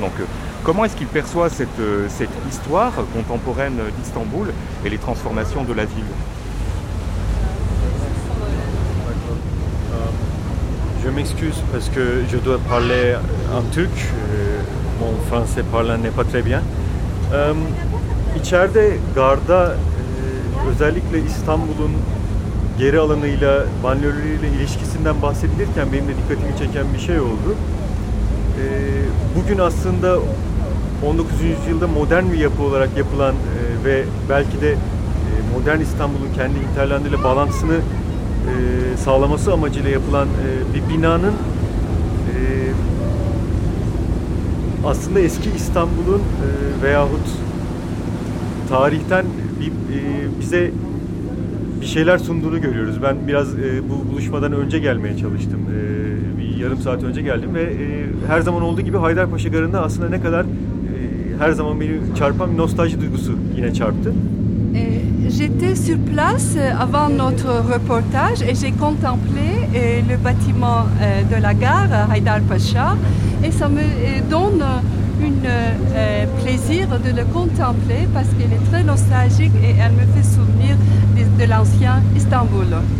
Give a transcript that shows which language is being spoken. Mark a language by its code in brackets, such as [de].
[fr] Donc comment est-ce qu'il perçoit cette histoire contemporaine d'Istanbul et les transformations de la ville? Je m'excuse parce que je dois parler en turc. Mon français parlant n'est pas très bien. [tr] İçeride garda özellikle İstanbul'un geri alanıyla, banliyöleriyle ilişkisinden bahsedilirken benim de dikkatimi çeken bir şey oldu. Bugün aslında 19. yüzyılda modern bir yapı olarak yapılan ve belki de modern İstanbul'un kendi interlandıyla bağlantısını sağlaması amacıyla yapılan bir binanın aslında eski İstanbul'un veyahut tarihten bize bir şeyler sunduğunu görüyoruz. Ben biraz bu buluşmadan önce gelmeye çalıştım. Bir yarım saat önce geldim ve her zaman olduğu gibi Haydarpaşa Garı'nda aslında ne kadar her zaman beni çarpan bir nostalji duygusu yine çarptı. [fr] J'étais sur place avant notre reportage et j'ai contemplé le bâtiment de la gare Haydarpaşa et ça me donne un plaisir de le contempler parce qu'elle est très nostalgique et elle me fait souvenir de l'ancien Istanbul.